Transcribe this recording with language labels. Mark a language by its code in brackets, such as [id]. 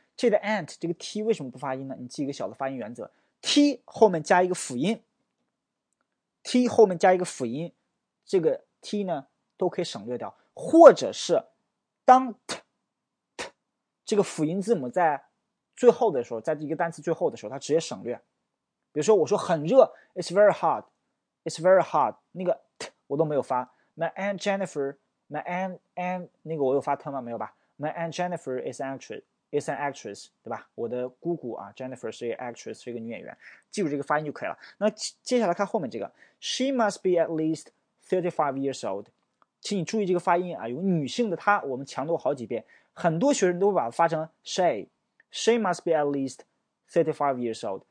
[zh] 这个 aunt 这个 t 为什么不发音呢？你记一个小的发音原则：t 后面加一个辅音，t 后面加一个辅音，这个 t 呢？都可以省略掉，或者是当 t 这个辅音字母在最后的时候，在一个单词最后的时候，它直接省略。比如说，我说很热， [en] it's very hot，it's very hot， [zh] 那个 t 我都没有发。 [en] My aunt Jennifer，my aunt [zh] 那个我有发 t 吗？没有吧？ [en] My aunt Jennifer is an actress， [zh] 对吧？我的姑姑啊，Jennifer 是一个 actress，是一个女演员。记住这个发音就可以了。那接下来看后面这个， [en] she must be at least 35 years old。 [zh] 请你注意这个发音啊，有女性的她，我们强调好几遍，很多学生都会把它发成 [en] she must be at least 35 years old。